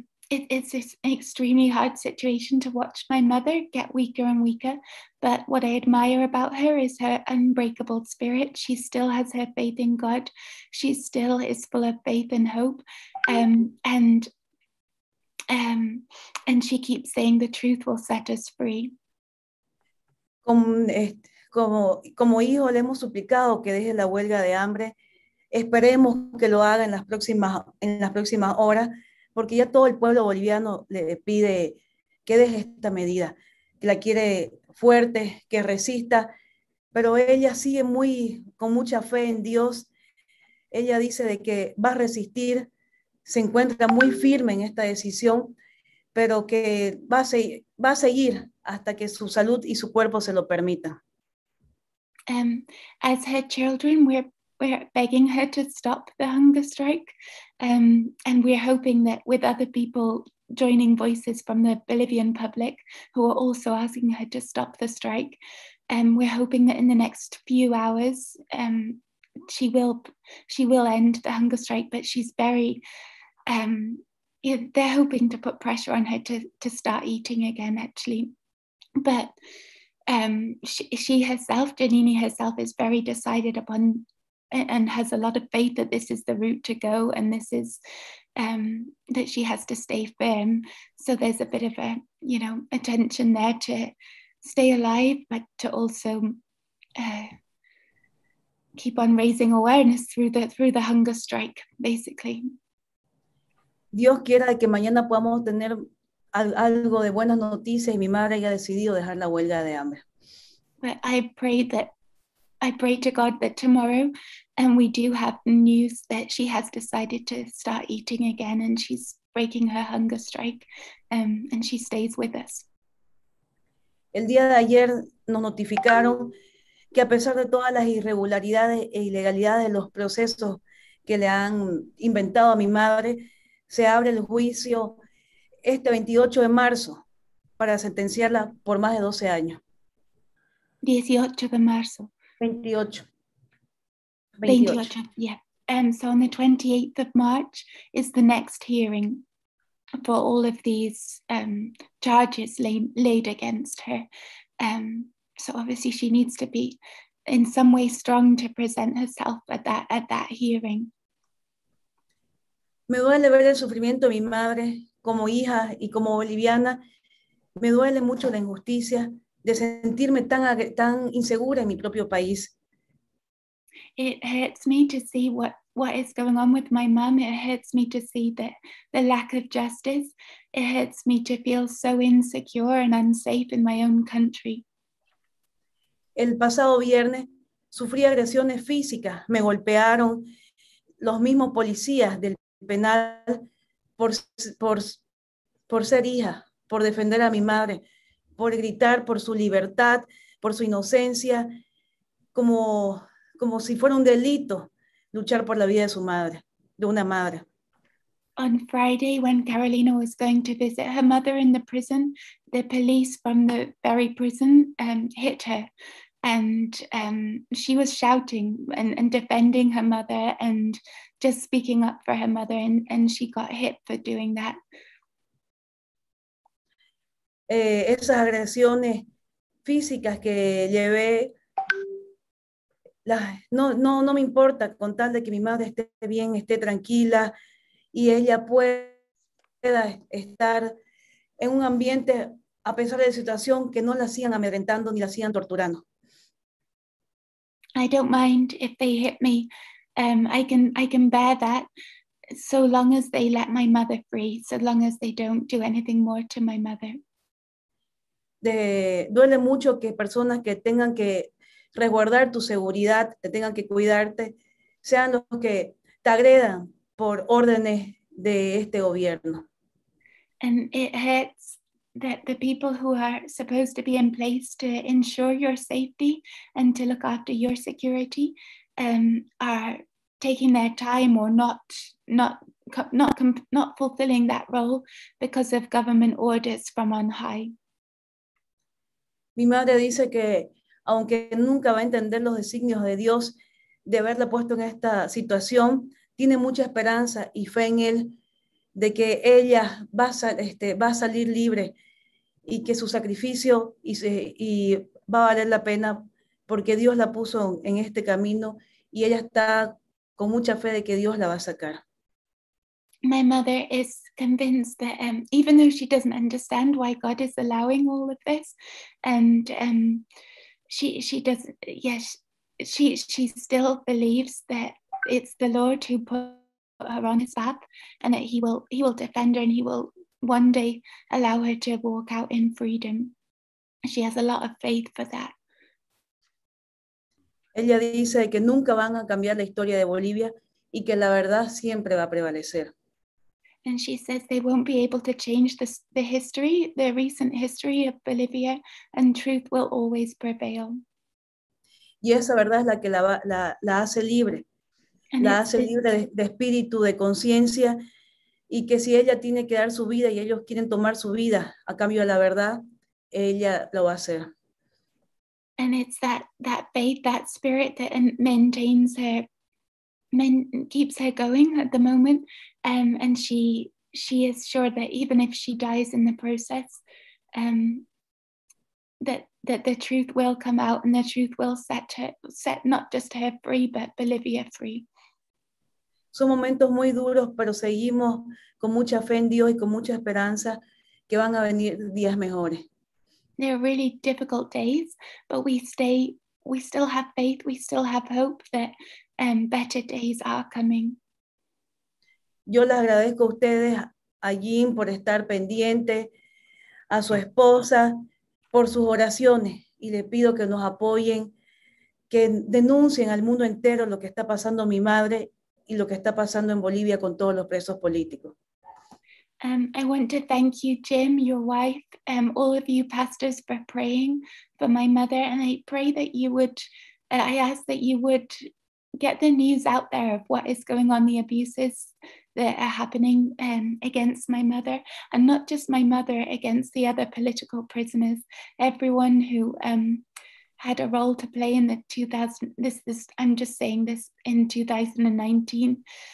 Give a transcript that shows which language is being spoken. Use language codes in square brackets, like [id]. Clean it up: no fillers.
[en] It's an extremely hard situation to watch my mother get weaker and weaker, but what I admire about her is her unbreakable spirit. She still has her faith in God. She still is full of faith and hope, and she keeps saying the truth will set us free. [es] Como hijo le hemos suplicado que deje la huelga de hambre. Esperemos que lo haga en las próximas horas, porque ya todo el pueblo boliviano le pide que deje esta medida, que la quiere fuerte, que resista, pero ella sigue muy con mucha fe en Dios. Ella dice de que va a resistir se encuentra muy firme en esta decisión, pero que va a seguir hasta que su salud y su cuerpo se lo permita. [en] As her children, we're begging her to stop the hunger strike, and we're hoping that with other people joining voices from the Bolivian public, who are also asking her to stop the strike, we're hoping that in the next few hours, she will end the hunger strike. But she's very, they're hoping to put pressure on her to start eating again, actually. But Janini herself is very decided upon and has a lot of faith that this is the route to go, and this is that she has to stay firm. So there's a bit of a, you know, a tension there to stay alive, but to also keep on raising awareness through the hunger strike, basically. [es] Dios quiera que mañana podamos tener algo de buenas noticias y mi madre haya decidido dejar la huelga de hambre. [en] But I pray to God that tomorrow, and we do have news that she has decided to start eating again, and she's breaking her hunger strike, and she stays with us. [es] El día de ayer nos notificaron que a pesar de todas las irregularidades e ilegalidades de los procesos que le han inventado a mi madre, se abre el juicio este 28 de marzo para sentenciarla por más de 12 años. 18 de marzo. 28. [en] Yeah. So on the 28th of March is the next hearing for all of these charges laid against her. So obviously she needs to be in some way strong to present herself at that hearing. [es] Me duele ver el sufrimiento de mi madre como hija y como boliviana. Me duele mucho la injusticia de sentirme tan insegura en mi propio país. [en] It hurts me to see what is going on with my mom. It hurts me to see the lack of justice. It hurts me to feel so insecure and unsafe in my own country. [es] El pasado viernes sufrí agresiones físicas. Me golpearon los mismos policías del penal por ser hija, por defender a mi madre, por gritar por su libertad, por su inocencia, como si fuera un delito luchar por la vida de su madre, de una madre. [en] On Friday, when Carolina was going to visit her mother in the prison, the police from the very prison hit her. And she was shouting and defending her mother and just speaking up for her mother, and she got hit for doing that. [es] Esas agresiones físicas que llevé, no me importa, con tal de que mi madre esté bien, esté tranquila y ella pueda estar en un ambiente, a pesar de la situación, que no la sigan amedrentando ni la sigan torturando. [en] I don't mind if they hit me. I can bear that so long as they let my mother free, so long as they don't do anything more to my mother. [es] Duele mucho que personas que tengan que resguardar tu seguridad, que tengan que cuidarte, sean los que te agredan por órdenes de este gobierno. [en] And it hurts that the people who are supposed to be in place to ensure your safety and to look after your security are taking their time or not fulfilling that role because of government orders from on high. [es] Mi madre dice que aunque nunca va a entender los designios de Dios de haberla puesto en esta situación, tiene mucha esperanza y fe en él de que ella va a salir libre y que su sacrificio y va a valer la pena porque Dios la puso en este camino y ella está con mucha fe de que Dios la va a sacar. [en] My mother is convinced that even though she doesn't understand why God is allowing all of this, and she still believes that it's the Lord who put her on his path and that he will defend her and he will one day allow her to walk out in freedom. She has a lot of faith for that. [es] Ella dice que nunca van a cambiar la historia de Bolivia y que la verdad siempre va a prevalecer. [en] And she says they won't be able to change the history, the recent history of Bolivia, and truth will always prevail. [es] Y esa verdad es la que la hace libre. La hace libre de espíritu, de conciencia, y que si ella tiene que dar su vida y ellos quieren tomar su vida a cambio de la verdad, ella lo va a hacer. [en] And it's that faith, that spirit that maintains her, keeps her going at the moment. And she is sure that even if she dies in the process, that the truth will come out and the truth will set not just her free, but Bolivia free. [es] Son momentos muy duros, pero seguimos con mucha fe en Dios y con mucha esperanza que van a venir días mejores. [en] They're really difficult days, but we still have faith, we still have hope that better days are coming. [es] Yo les agradezco a ustedes, a Jim, por estar pendiente, a su esposa, por sus oraciones, y les pido que nos apoyen, que denuncien al mundo entero lo que está pasando mi madre y lo que está pasando en Bolivia con todos los presos políticos. [en] I want to thank you, Jim, your wife, all of you pastors for praying for my mother. And I pray that you would, I ask that you would get the news out there of what is going on, the abuses that are happening against my mother, and not just my mother, against the other political prisoners, everyone who had a role to play in in 2019.